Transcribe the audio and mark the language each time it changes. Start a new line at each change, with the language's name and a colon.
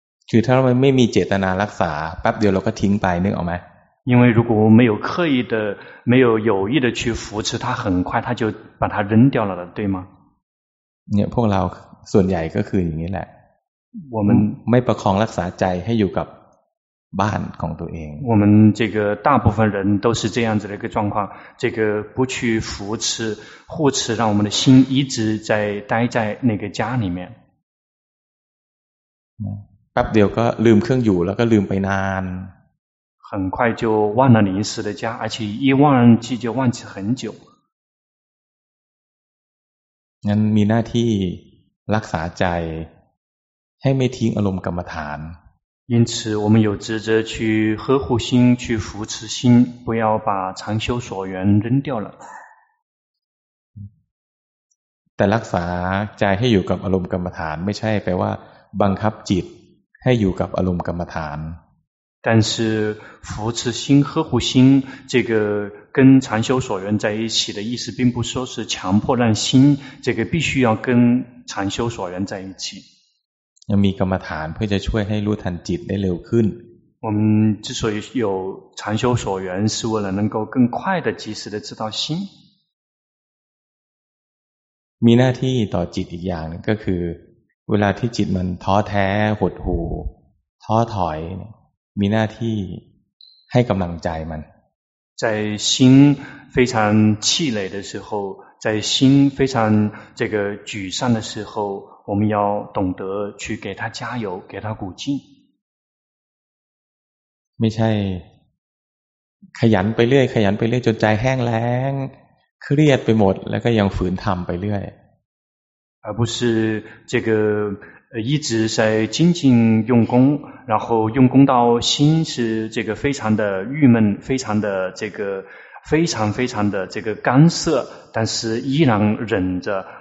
Thai: คือถ้าเราไม่มีเจตนารักษาแป๊บเดียวเราก็ทิ้งไปนึกออกไหม
Chinese: 因为如果我没有刻意的没有有意的去扶持它很快它就把它扔掉了对吗
Thai: เนี่ยพวกเราส่วนใหญ่ก็คืออย่างนี้แหละ วัน ไม่ประคองรักษาใจให้อยู่กับ
Chinese: 办工作营。我们这个大部分人都是这样子的一个状况，这个不去扶持护持，让我们的心一直在待在那个家里面。
Thai: แป๊บเดียวก็ลืมเครื่องอยู่แล้วก็ลืมไปนาน。
Chinese: 很快就忘了临时的家，而且一忘记就忘记很久。
Thai: งั้นมีหน้าที่รักษาใจให้ไม่ทิ้งอารมณ์กรรมฐาน。
Chinese: 因此我们有职责去呵护心，去扶持心，不要把常修所缘扔掉了。
Thai: แต่รักษาใจให้อยู่กับอารมณ์กรรมฐานไม่ใช่แปลว่าบังคับจิตให้อยู่กับอารมณ์กรรมฐาน。
Chinese: 但是扶持心呵护心这个跟常修所缘在一起的意思，并不说是强迫让心这个必须要跟常修所缘在一起。
Thai: ยังมีกรรมฐานเพื่อจะช่วยให้รู้ทันจิตได้เร็วขึ้น。
Chinese: 我们之所以有常修所缘，是为了能够更快的、及时的知道心。
Thai: มีหน้าที่ต่อจิตอีกอย่างก็คือเวลาที่จิตมันท้อแท้หดหู่ท้อถอยมีหน้าที่ให้กำลังใจมัน。
Chinese: 在心非常气馁的时候，在心非常这个沮丧的时候。我们要懂得去给他加油，给他鼓劲。
Thai: ไม่ใช่ขยันไปเรื่อยขยันไปเรื่อยจนใจแห้งแล้งเครียดไปหมดแล้วก็ยังฝืนทำไปเรื่อย。
Chinese: 而不是这个一直在精进用功，然后用功到心是这个非常的郁闷，非常的这个非常非常的这个干涩，但是依然忍着。